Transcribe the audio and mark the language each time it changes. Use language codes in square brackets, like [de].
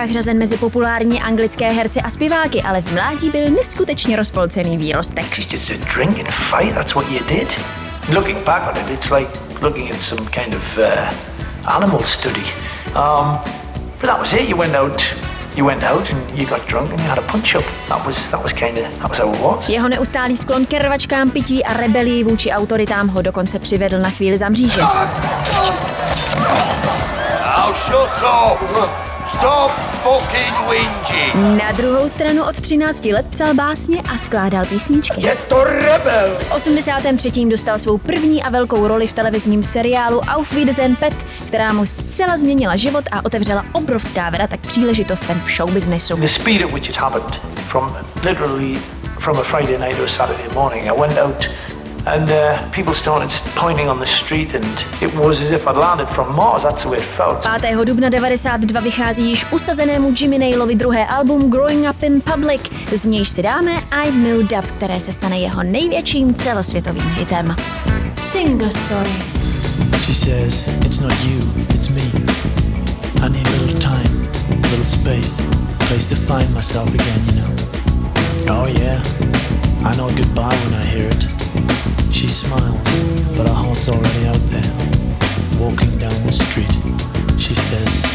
[cs] řazen mezi populární anglické herce a zpíváky, ale v mládí byl neskutečně rozpolcený výrostek. [en] Just a drink and fight, that's what you did? Looking back on it, it's like looking at some kind of animal study. But that was it, you went out. You went out and you got drunk and you had a punch up. That was how it was. [cs] Jeho neustálý sklon ke rvačkám, pití a rebelii vůči autoritám ho dokonce přivedl na chvíli za mříže. [en] Now shut up! Stop fucking whinging! [cs] Na druhou stranu od 13 let psal básně a skládal písničky. Je to rebel! V 83. dostal svou první a velkou roli v televizním seriálu Auf Wiedersehen, Pet, která mu zcela změnila život a otevřela obrovská vrata k příležitostem v showbiznesu. [en] The speed at which it happened, from a Friday night to a Saturday morning, I went out and people started pointing on the street and it was as if I'd landed from Mars, that's the way it felt. [cs] 5. dubna 92 vychází již usazenému Jimmy Nailovi druhé album Growing Up in Public, z nějž si dáme I've Moved Up, které se stane jeho největším celosvětovým hitem. [en] Single Story. She says, it's not you, it's me. I need a little time, a little space, a place to find myself again, you know. Oh yeah, I know goodbye when I hear it. She smiles, but her heart's already out there. Walking down the street, she says,